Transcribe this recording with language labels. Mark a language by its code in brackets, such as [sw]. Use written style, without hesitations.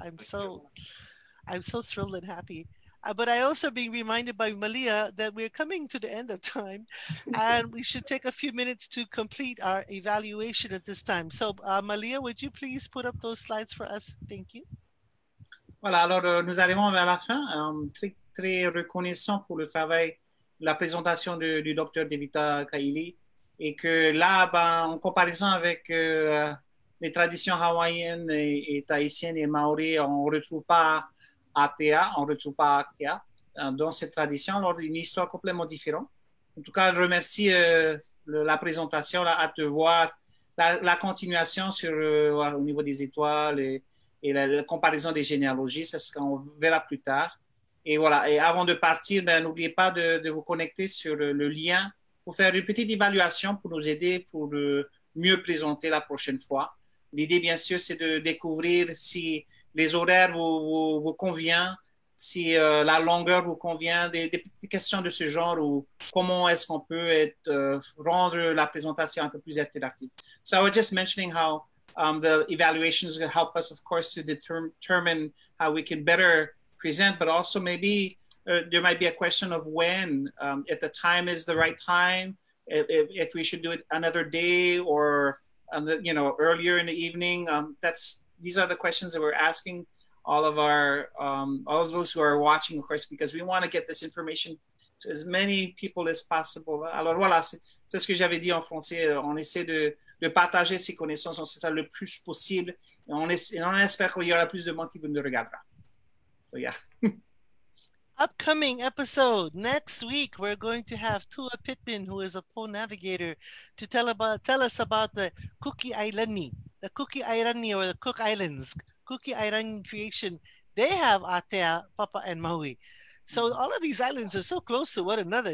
[en] I'm so thrilled and happy. But I also being reminded by Malia that we're coming to the end of time and we should take a few minutes to complete our evaluation at this time. So Malia, would you please put up those slides for us? Thank you. [fr] Voilà, alors nous arrivons vers la fin. Très, très reconnaissant pour le travail, la présentation du docteur Devita Kaili. Et que là, ben, en comparaison avec les traditions hawaïennes et tahitiennes et maori, on ne retrouve pas Atea, on ne retrouve pas Akea dans cette tradition, alors une histoire complètement différente. En tout cas, je remercie la présentation, là, à te voir, la continuation sur, au niveau des étoiles et la comparaison des généalogies, c'est ce qu'on verra plus tard. Et voilà, et avant de partir, ben, n'oubliez pas de vous connecter sur le lien pour faire une petite évaluation pour nous aider pour mieux présenter la prochaine fois. L'idée, bien sûr, c'est de découvrir si les horaires vous conviennent, si la longueur vous convient, des petites questions de ce genre ou comment est-ce qu'on peut rendre la présentation un peu plus interactive. [en] So I was just mentioning how the evaluations will help us, of course, to determine how we can better present, but also maybe there might be a question of when, if the time is the right time, if we should do it another day or earlier in the evening. These are the questions that we're asking all of our all of those who are watching, of course, because we want to get this information to as many people as possible. [fr] Alors voilà, c'est ce que j'avais dit en français. On essaie de partager ces connaissances, on sait ça le plus possible. Et on espère qu'il y aura plus de monde qui vous nous regardera. [en] So yeah. Upcoming episode next week, we're going to have Tua Pittman, who is a Po navigator, to tell us about the Kuki Airani or the Cook Islands, Kuki Airani creation. They have Atea, Papa, and Maui. So all of these islands are so close to one another.